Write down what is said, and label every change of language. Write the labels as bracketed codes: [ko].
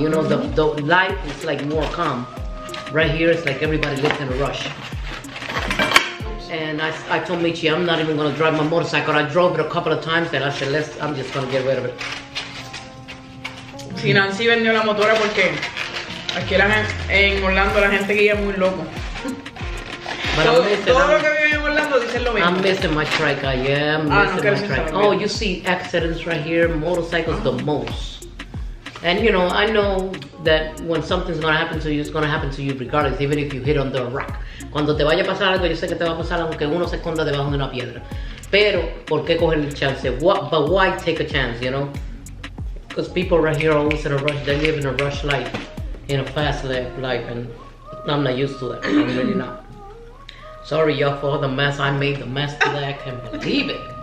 [en] You know, the life is like more calm. Right here, it's like everybody lives in a rush. And I told Michi, I'm not even gonna drive my motorcycle. I drove it a couple of times, and I said, I'm just gonna get rid of it. [es] Si Nancy vendió la motora, porque aquí la gente, en Orlando la gente guía muy loco. [en] I'm missing my trike. I am missing my trike. Oh, you see accidents right here. Motorcycles the most. And you know, I know that when something's gonna happen to you, it's gonna happen to you regardless, even if you hit under a rock. [es] Cuando te vaya a pasar algo, yo sé que te va a pasar aunque uno se esconda debajo de una piedra. Pero, ¿por qué coger el chance? [en] But why take a chance, you know? Because people right here are always in a rush. They live in a rush life, in a fast life, and I'm not used to that. I'm really not. Sorry, y'all, for all the mess I made, the mess today, I can't believe it.